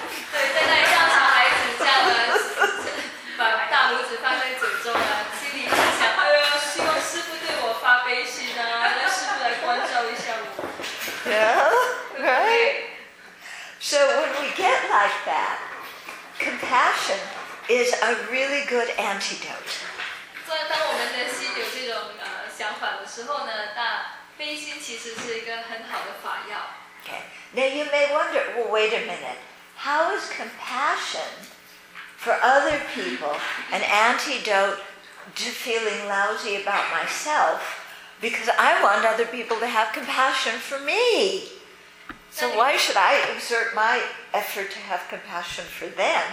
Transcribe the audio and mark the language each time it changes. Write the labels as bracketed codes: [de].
[zh] 对，现在像小孩子这样的，把大拇指放在嘴中啊，心里就想，哎呀，希望师父对我发悲心啊，让师父来关照一下我。 [en] Yeah, right. So when we get like that, compassion is a really good antidote. [zh] 所以当我们的心有这种想法的时候呢，那悲心其实是一个很好的法药。 [en] Okay. Now you may wonder, well, wait a minute. How is compassion for other people an antidote to feeling lousy about myself? Because I want other people to have compassion for me. So why should I exert my effort to have compassion for them?